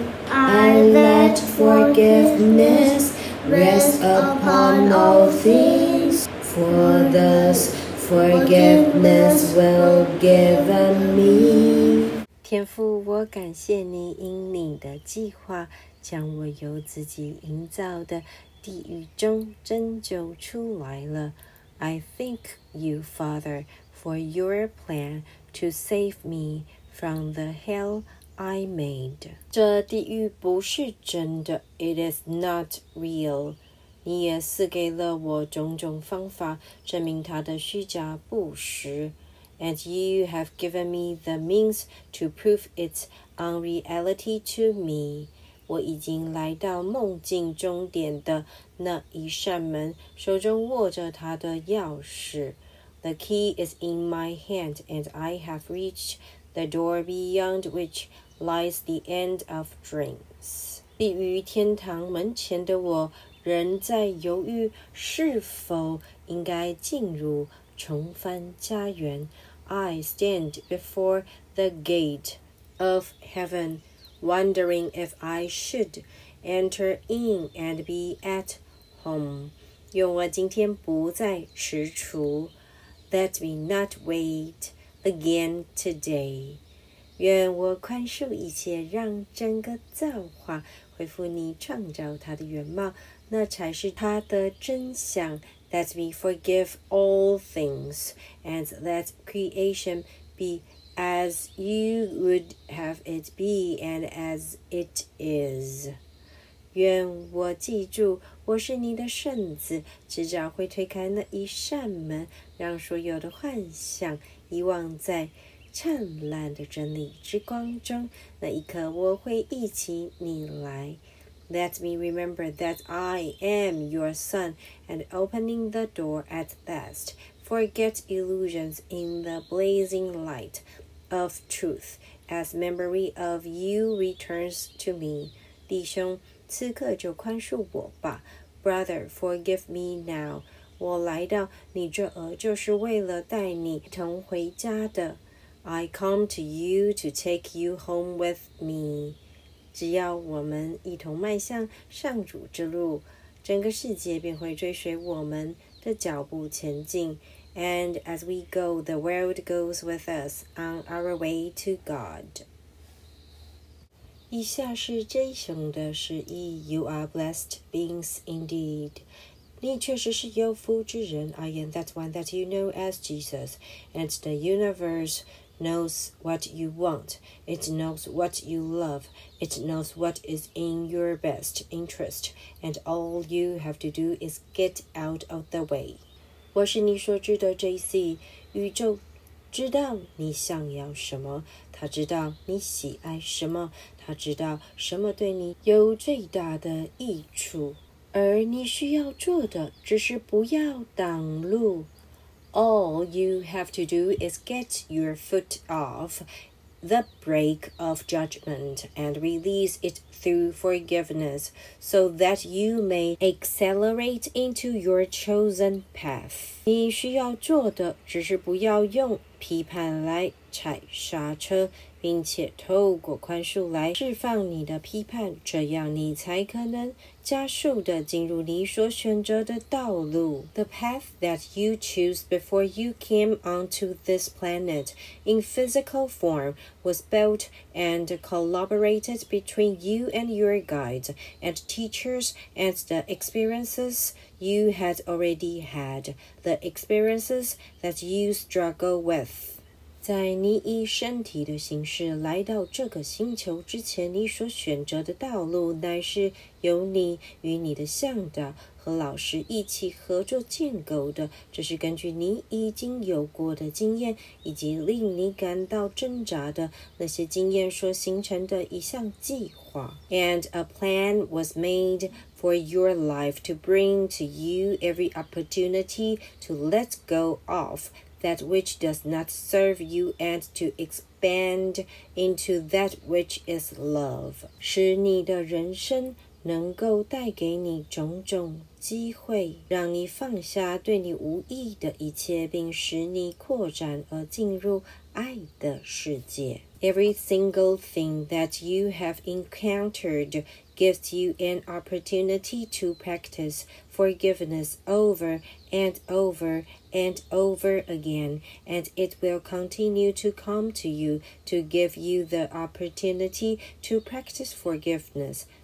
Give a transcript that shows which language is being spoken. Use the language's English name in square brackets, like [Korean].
[English] I let forgiveness rest upon all things, for thus forgiveness will given me。 [Chinese] 天父，我感谢你，因你的计划将我由自己营造的地狱中拯救出来了。 [English] I thank you, Father, for your plan to save me from the hellI made。 [Chinese] 这地狱不是真的， [English] It is not real。 [Chinese] 你也赐给了我种种方法证明它的虚假不实。 [English] And you have given me the means to prove its unreality to me。 [Chinese] 我已经来到梦境终点的那一扇门，手中握着它的钥匙。 [English] The key is in my hand, and I have reached the door beyond whichlies the end of dreams。 [Chinese] 立于天堂门前的我仍在犹豫是否应该进入重返家园。 [English] I stand before the gate of heaven, wondering if I should enter in and be at home。 [Chinese] 愿我今天不再迟蹰。 [English] Let me not wait again today。 [Chinese] 愿我宽恕一切，让整个造化恢复你创造它的原貌，那才是它的真相。 [English] Let me forgive all things, and let creation be as you would have it be and as it is。 [Chinese] 愿我记住，我是你的圣子，迟早会推开那一扇门，让所有的幻想遗忘在灿烂的真理之光中，那一刻我会忆起你来。 [English] Let me remember that I am your son, and opening the door at last, forget illusions in the blazing light of truth as memory of you returns to me。 [Chinese] 弟兄，此刻就宽恕我吧。 [English] Brother, forgive me now。 [Chinese] 我来到你这儿就是为了带你同回家的。 [English] I come to you to take you home with me。 [Chinese] 只要我们一同迈向上主之路，整个世界便会追随我们的脚步前进。 [English] And as we go, the world goes with us on our way to God。 [Chinese] 以下是 Jason 的诗意。 [English] You are blessed beings indeed。 [Chinese] 你确实是有福之人。 [English] I am that one that you know as Jesus, and the universeknows what you want, it knows what you love, it knows what is in your best interest, and all you have to do is get out of the way。 [Chinese] 我是你所知的 JC， 宇宙知道你想要什么，他知道你喜爱什么，他知道什么对你有最大的益处，而你需要做的只是不要挡路。 [English] All you have to do is get your foot off the brake of judgment and release it through forgiveness, so that you may accelerate into your chosen path。 [Chinese] 你需要做的只是不要用批判来踩刹车，并且透过宽恕来释放你的批判，这样你才可能加速地进入你所选择的道路。 [English] The path that you choose before you came onto this planet in physical form was built and collaborated between you and your guides and teachers and the experiences you had already had, the experiences that you struggle with. [Chinese] 在你以身体的形式来到这个星球之前，你所选择的道路乃是由你与你的向导和老师一起合作建构的。这是根据你已经有过的经验以及令你感到挣扎的那些经验所形成的一项计划。 [English] And a plan was made for your life to bring to you every opportunity to let go ofthat which does not serve you and to expand into that which is love. [Chinese] 使你的人生能够带给你种种机会，让你放下对你无益的一切，并使你扩展而进入爱的世界。 [English] Every single thing that you have encountered gives you an opportunity to practice forgiveness over and over and over again, and it will continue to come to you to give you the opportunity to practice forgiveness.